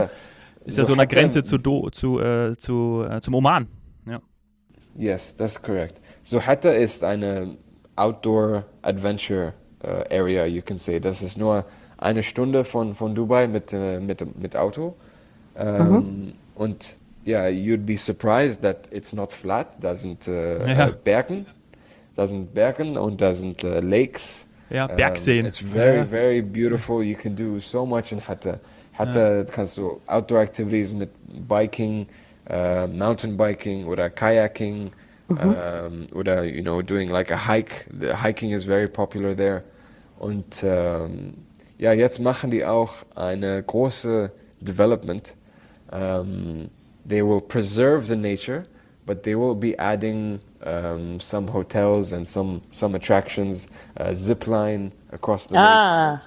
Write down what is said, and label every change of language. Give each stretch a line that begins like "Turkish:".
German: Hatta. Ist ja So so an der Hatta. Grenze zu Do zu, zum Oman.
English: Yes, that's correct.
German: So Hatta ist eine Outdoor-Adventure area,
English: you can say.
German: Das ist nur eine Stunde von Dubai mit Auto. Und ja,
English: you'd be surprised that it's not flat.
German: Da sind Ja. Bergen. Da sind Bergen und da sind Lakes. Ja, Bergseen.
English: It's very,
German: Ja,
English: very beautiful. You can do so much in Hatta.
German: ja. Hatta kannst du Outdoor-Activities mit Biking, Mountainbiking oder Kayaking.
English: Oder doing like a hike. The hiking is very popular there.
German: Und ja, jetzt machen die auch eine große Development.
English: They will preserve the nature, but they will be adding some hotels and some attractions, zipline across the lake.